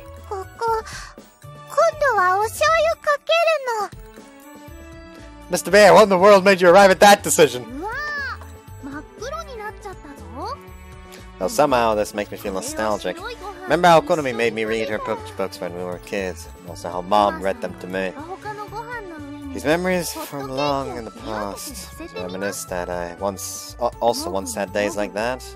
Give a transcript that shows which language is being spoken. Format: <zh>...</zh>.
<ja>ここ、今度はお醤油かけるの。</ja> <en>Mr. Bear, what in the world made you arrive at that decision?</en> <ja>うわぁ、真っ黒になっちゃったぞ。</ja> <en>Well, somehow this makes me feel nostalgic. Remember how Konomi made me read her picture books when we were kids, and also how Mom read them to me. These memories from long in the past reminisce that I once had days like that.</en>